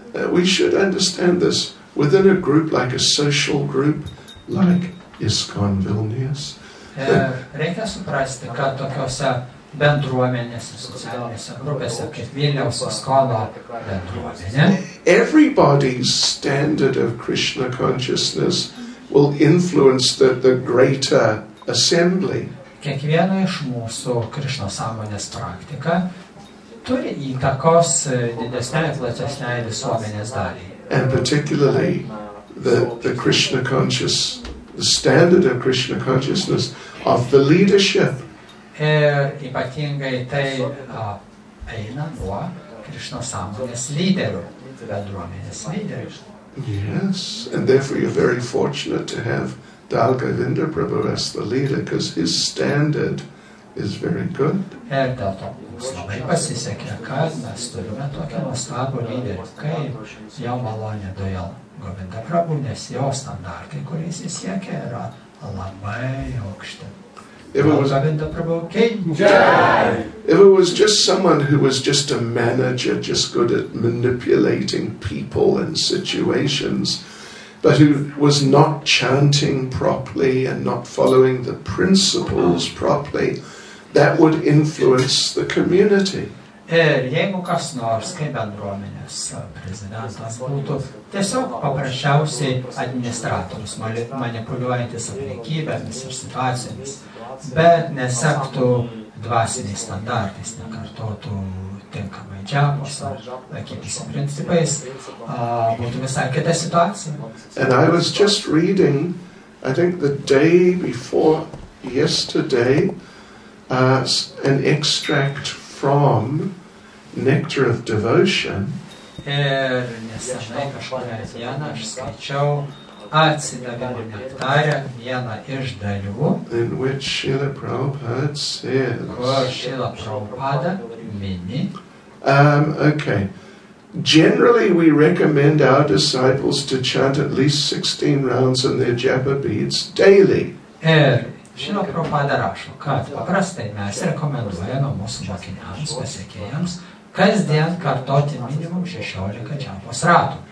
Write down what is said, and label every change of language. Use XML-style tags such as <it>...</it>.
<en>we should understand this within a group like a social group, like ISKCON Vilnius.</en> <lt>Reikia suprasti, kad tokiose bendruomenėse, socialinėse grupėse, kaip Vilniaus ISKCONo bendruomenė.</lt> <en>Everybody's standard of Krishna consciousness will influence the greater assembly.</en> <lt>Kiekvieno iš mūsų Krishna sąmonės praktika turi įtakos didesnėje platesnėje visuomenės dalyje.</lt> <en>And particularly the Krishna conscious, the standard of Krishna consciousness of the leadership.</en> <lt>Ypatingai tai eina nuo Krishna sąmonės lyderių, bendruomenės lyderių.</lt> <en>Yes, and therefore you're very fortunate to have Dal Govinda Prabhu as the leader, because his standard is very good.</en> <lt>Ir dėl to mums labai pasisekė, kad mes turime tokią nuostabų lyderį, kaip jo malonė Dal Govinda Prabhu, nes jo standartai, kuriais jis siekia, yra labai aukšti.</lt> <en>If it was just someone who was just a manager, just good at manipulating people and situations, but who was not chanting properly and not following the principles properly, that would influence the community.</en> <lt>Ir jeigu kas nors, kaip bendruomenės prezidentas būtų tiesiog paprasčiausiai administratorius, manipuliuojantis aplinkybėmis ir situacijomis, bet nesektų dvasiniais standartais, nekartotų tinkamai džiavos ar kitais principais, būtų visai kita situacija.</lt> <en>And I was just reading, I think the day before yesterday, an extract from Nectar of Devotion.</en> <lt>Ir nesenai kažkurę dieną aš skaičiau Atsidavimo nektarę, vieną iš dalių,</lt> <en>in which Srila Prabhupada says,</en> <lt>kur Srila Prabhupada mini,</lt> <en>okay, generally we recommend our disciples to chant at least 16 rounds in their japa beads daily.</en> <lt>Ir Srila Prabhupada rašo, kad paprastai mes rekomenduojame mūsų mokiniams, pasiekėjams, kasdien kartoti minimum 16 džiapos ratų.</lt>